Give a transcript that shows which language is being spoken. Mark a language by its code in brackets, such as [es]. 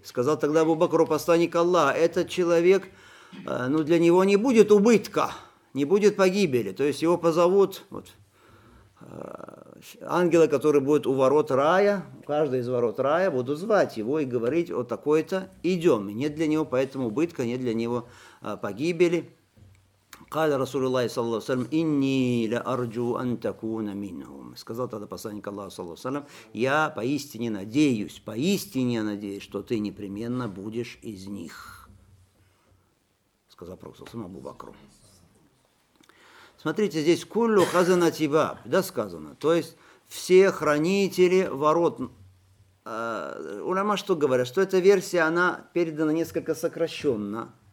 [ru] Сказал тогда Абу-Бакру, посланник Аллаха, этот человек, ну, для него не будет убытка, не будет погибели. То есть его позовут, вот, ангелы, которые будут у ворот рая, каждый из ворот рая, будут звать его и говорить, вот такой-то, идем. Нет для него поэтому убытка, нет для него погибели. [ar] قال رسول الله صلى الله عليه وسلم إني لأرجو أن تكون منهم. [ru] Сказал тогда посланник Аллаха [ar] صلى الله عليه وسلم, [ru] я поистине надеюсь, что ты непременно будешь из них. Сказал пророк Абу Бакру. Смотрите, здесь [ar] куллю хазанати баб, [ru] да, сказано. То есть все хранители ворот. Улема что говорят, что эта версия она передана несколько сокращенно.